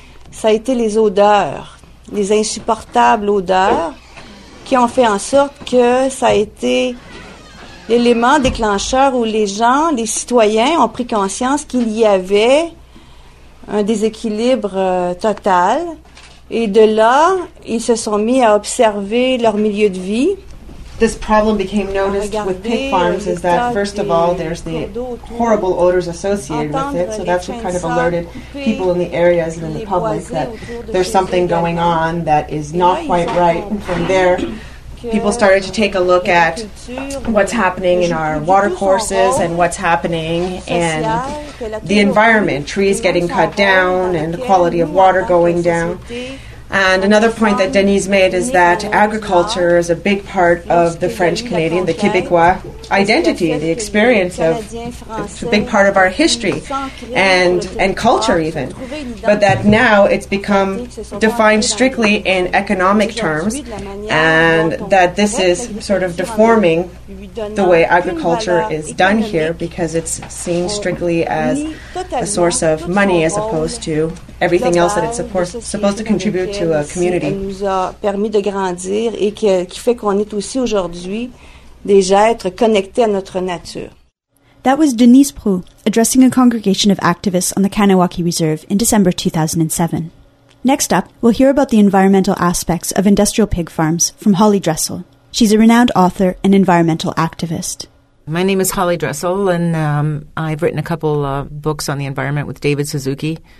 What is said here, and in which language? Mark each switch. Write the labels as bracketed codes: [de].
[fr] Ça a été les odeurs, les insupportables odeurs qui ont fait en sorte que ça a été l'élément déclencheur où les gens, les citoyens ont pris conscience qu'il y avait un déséquilibre total. Et de là, ils se sont mis à observer leur milieu de vie. [en] This problem became noticed with pig farms is that, first of all, there's the horrible odors associated with it. So that's what kind of alerted people in the areas and in the public that there's something going on that is not quite right. From there, people started to take a look at what's happening in our water courses and what's happening in the environment, trees getting cut down and the quality of water going down. And another point that Denise made is that agriculture is a big part of the French-Canadian, the Québécois identity, the experience of, it's a big part of our history and culture even. But that now it's become defined strictly in economic terms and that this is sort of deforming the way agriculture is done here because it's seen strictly as a source of money as opposed to everything else that it's supposed to contribute to a community. [fr] Ça nous a permis de grandir et qui fait qu'on est aussi aujourd'hui des êtres connectés à notre nature. [en] That was Denise Proulx addressing a congregation of activists on the Kahnawake Reserve in December 2007. Next up, we'll hear about the environmental aspects of industrial pig farms from Holly Dressel. She's a renowned author and environmental activist. My name is Holly Dressel, and I've written a couple of books on the environment with David Suzuki.